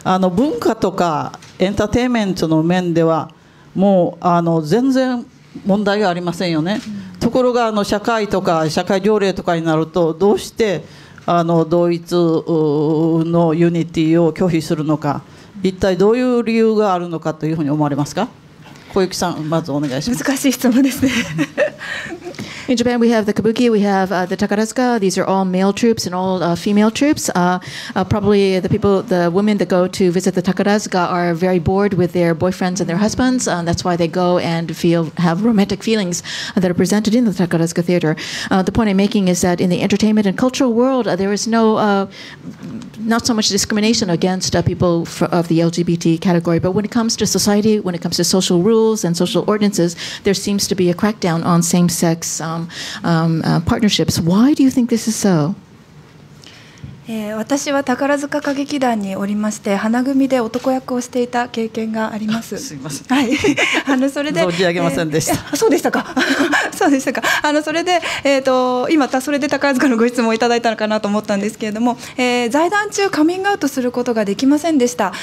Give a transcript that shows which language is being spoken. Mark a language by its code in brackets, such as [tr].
[ja] 文化とかエンターテインメントの面ではもう全然問題がありませんよね、うん、ところが社会とか社会条例とかになるとどうして同一のユニティを拒否するのか、一体どういう理由があるのかというふうに思われますか？小雪さん、まずお願いします。難しい質問ですね。 [en] In Japan, we have the kabuki, we have the takarazuka. These are all male troops and all female troops. Probably the women that go to visit the takarazuka are very bored with their boyfriends and their husbands. That's why they go and have romantic feelings that are presented in the takarazuka theater. The point I'm making is that in the entertainment and cultural world, there is not so much discrimination against people of the LGBT category. But when it comes to society, when it comes to social rules and social ordinances, there seems to be a crackdown on same-sex partnerships. Why do you think this is so? [ja] 私は宝塚歌劇団におりまして、花組で男役をしていた経験があります。すみません。はい。それで存じ上げませんでした。そうでしたか。そうでしたか。それで今それで宝塚のご質問をいただいたのかなと思ったんですけれども、在団中カミングアウトすることができませんでした。